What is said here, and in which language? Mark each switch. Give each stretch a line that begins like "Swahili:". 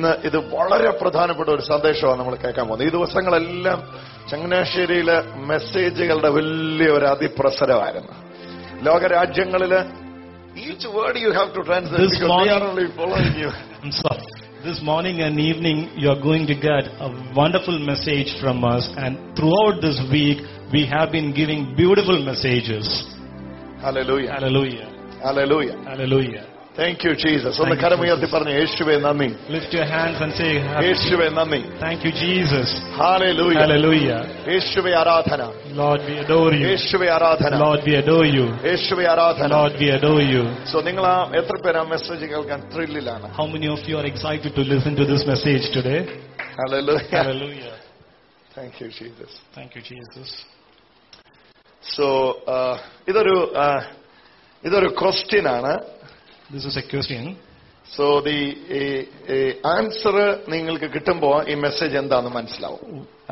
Malayalam: ഇത് വളരെ പ്രധാനപ്പെട്ട ഒരു സന്ദേശമാണ് നമ്മൾ കേൾക്കാൻ പോകുന്നത്. ഈ ദിവസങ്ങളെല്ലാം ചങ്ങനാശ്ശേരിയിലെ മെസ്സേജുകളുടെ വലിയ ഒരു അതിപ്രസരമായിരുന്നു. ലോകരാജ്യങ്ങളില്
English: each word you have to translate this because morning, they are only following you. I'm sorry. This morning and evening you are going to get a wonderful message from us, and throughout this week we have been giving beautiful messages. Hallelujah. Hallelujah. Hallelujah. Hallelujah. Thank you, Jesus.
Malayalam: ഒന്ന് കരം ഉയർത്തി പറഞ്ഞു യേശുവേ നന്ദി.
English: Lift your hands and say
Malayalam: യേശുവേ നന്ദി.
English: Thank you, Jesus. Hallelujah. Hallelujah.
Malayalam: യേശുവേ ആരാധന.
English: Lord, we adore you.
Malayalam: യേശുവേ ആരാധന.
English: Lord, we adore you.
Malayalam: യേശുവേ ആരാധന.
English: Lord, we adore you.
Malayalam: So നിങ്ങൾ എത്ര പേര് ആ മെസ്സേജ് കേൾക്കാൻ ത്രില്ലിലാണ്?
English: How many of you are excited to listen to this message today? Hallelujah. Hallelujah. Thank you, Jesus. Thank you, Jesus.
Malayalam: So ഇതൊരു question ആണ്.
English: This is a question. So the answer
Malayalam: ningalku kittumbo ee message endanu manasilavum.